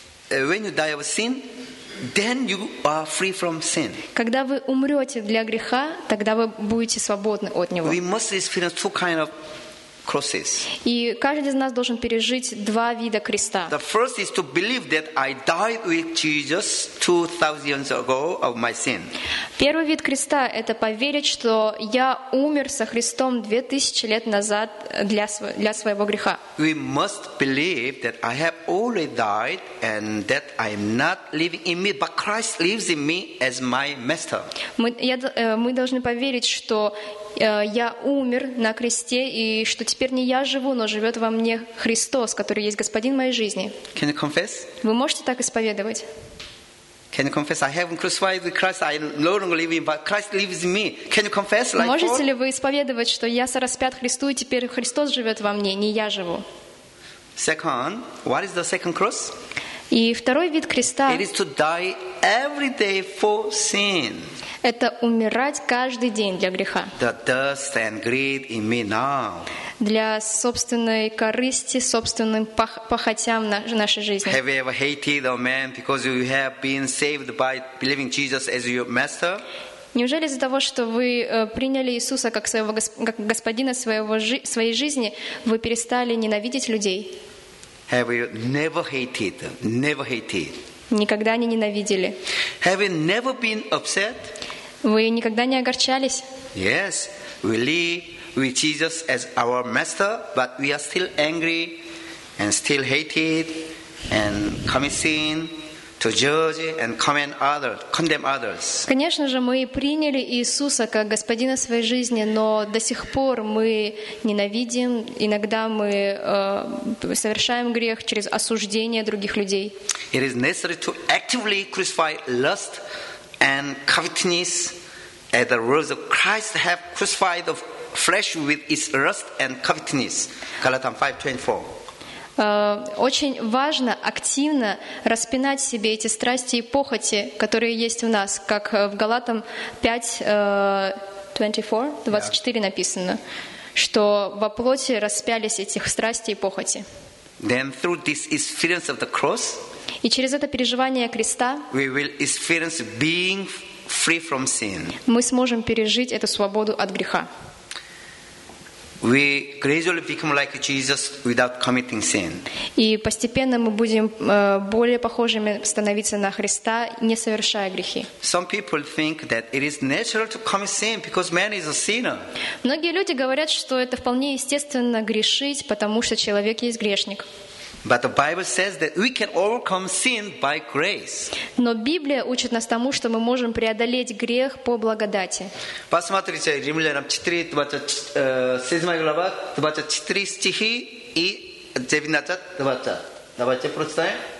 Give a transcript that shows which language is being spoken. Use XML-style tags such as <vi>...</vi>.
<en>When you die of sin, then you are free from sin.</en> <ru>Когда вы умрете для греха, тогда вы будете свободны от него.</ru> <en>We must experience two kind of crosses.</en> <ru>И каждый из нас должен пережить два вида креста.</ru> <en>The first is to believe that I died with Jesus 2000 years ago of my sin.</en> <ru>Первый вид креста — это поверить, что я умер со Христом 2000 лет назад для своего греха.</ru> <en>We must believe that I have already died and that I am not living in me, but Christ lives in me as my master.</en> <ru>Мы должны поверить, что я умер на кресте, и что теперь не я живу, но живет во мне Христос, который есть Господин моей жизни.</ru> <en>Can you confess?</en> <ru>Вы можете так исповедовать?</ru> <en>Can you confess? I haven't crucified with Christ. I no longer live in, but Christ lives in me. Can you confess? Like</en> <ru>можете ли вы исповедовать, что я сораспят Христу, и теперь Христос живет во мне, не я живу?</ru> <en>Second, what is the second cross?</en> <ru>И второй вид креста.</ru> <en>It is to die every day for sin.</en> <ru>Это умирать каждый день для греха.</ru> <en>The dust and greed in me now.</en> <ru>Для собственной корысти, собственным похотям нашей жизни.</ru> <en>Have you ever hated a man because you have been saved by believing Jesus as your master?</en> <ru>Неужели из-за того, что вы приняли Иисуса как своего господина своей жизни, вы перестали ненавидеть людей?</ru> <en>Have you never hated them? Never hated.</en> <ru>Никогда не ненавидели.</ru> <en>Have you never been upset?</en> <ru>Вы никогда не огорчались?</ru> <en>Yes, we live with Jesus as our master, but we are still angry and still hated and commit sin to judge and condemn others.</en> <ru>Конечно же, мы приняли Иисуса как господина своей жизни, но до сих пор мы ненавидим, иногда мы совершаем грех через осуждение других людей.</ru> <en>It is necessary to actively crucify lust and covetousness as the words of Christ have crucified of flesh with its lust and covetousness. Galatians 5:24.</en> <ru>Очень важно активно распинать себе эти страсти и похоти, которые есть у нас, как в Галатам 5:24 yeah. написано, что во плоти распялись этих страсти и похоти.</ru> <en>Then through this experience of the cross,</en> <ru>и через это переживание креста,</ru> <en>we will experience being free from sin.</en> <ru>Мы сможем пережить эту свободу от греха.</ru> <en>We gradually become like Jesus without committing sin.</en> <ru>И постепенно мы будем более похожими становиться на Христа, не совершая грехи.</ru> <en>Some people think that it is natural to commit sin because man is a sinner.</en> <ru>Многие люди говорят, что это вполне естественно грешить, потому что человек есть грешник.</ru> <en>But the Bible says that we can overcome sin by grace.</en> <ru>Но Библия учит нас тому, что мы можем преодолеть грех по благодати. Посмотрите, Римлянам 4:27-24. Давайте прочитаем.</ru>